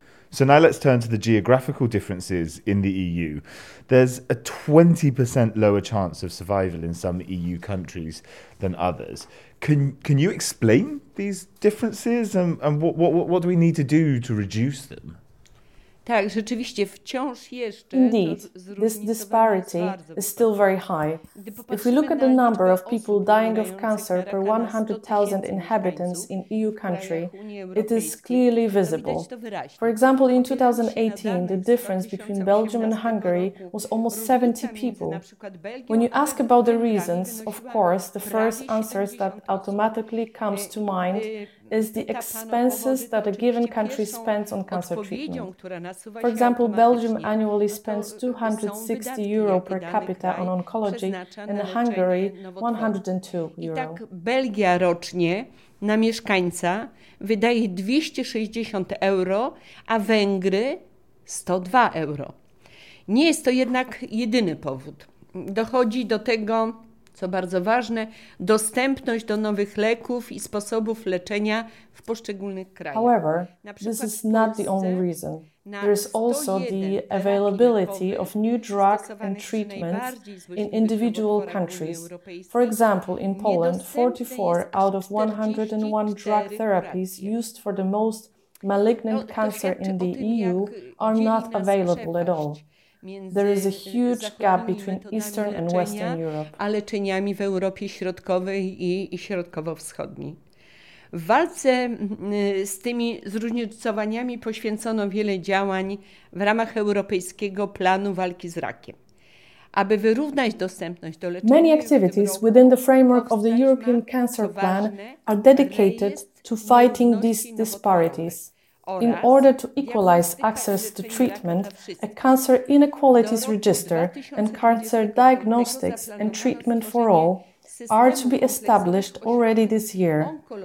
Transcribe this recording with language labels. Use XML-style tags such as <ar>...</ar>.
<en>So now let's turn to the geographical differences in the EU. There's a 20% lower chance of survival in some EU countries than others. Can you explain these differences and what do we need to do to reduce them?</en> <pl>Tak, rzeczywiście wciąż jeszcze.</pl> <en>Indeed, this disparity is still very high. If we look at the number of people dying of cancer per 100,000 inhabitants in EU country, it is clearly visible. For example, in 2018, the difference between Belgium and Hungary was almost 70 people. When you ask about the reasons, of course, the first answer that automatically comes to mind is the expenses that a given country spends on cancer treatment. For example, Belgium annually spends €260 per capita on oncology, and Hungary €102.</en> <pl>I tak Belgia rocznie na mieszkańca wydaje €260, a Węgry €102. Nie jest to jednak jedyny powód. Dochodzi do tego, co bardzo ważne, dostępność do nowych leków i sposobów leczenia w poszczególnych krajach.</pl> <en>However, this is not the only reason. There is also the availability of new drugs and treatments in individual countries. For example, in Poland, 44 out of 101 drug therapies used for the most malignant cancer in the EU are not available at all. There is a huge gap between Eastern and Western Europe.</en> <pl>A leczeniami w Europie Środkowej i Środkowo-Wschodniej. W walce z tymi zróżnicowaniami poświęcono wiele działań w ramach Europejskiego Planu Walki z Rakiem.</pl> <en>Many activities within the framework of the European Cancer Plan are dedicated to fighting these disparities. In order to equalize access to treatment, a cancer inequalities register and cancer diagnostics and treatment for all are to be established already this year.</en>